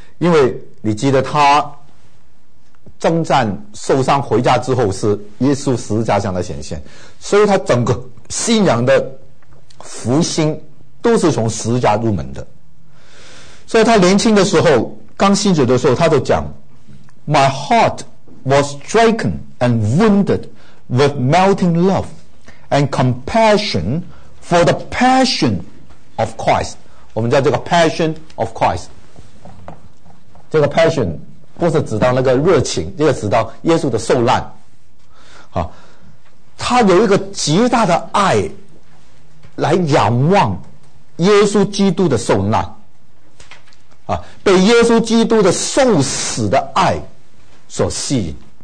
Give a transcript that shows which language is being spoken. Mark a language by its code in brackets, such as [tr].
[zh] 因为你记得他征战受伤回家之后是耶稣十字架上的显现，所以他整个信仰的福星都是从十字架入门的。所以他年轻的时候，刚信主的时候，他就讲 [en] My heart was stricken and wounded with melting love and compassion for the passion of Christ. [zh] 我们叫这个 [en] passion of Christ。 [zh] 这个 passion 不是指到那个热情，这个指到耶稣的受难。好，他有一个极大的爱来仰望耶稣基督的受难，啊，被耶稣基督的受死的爱所吸引。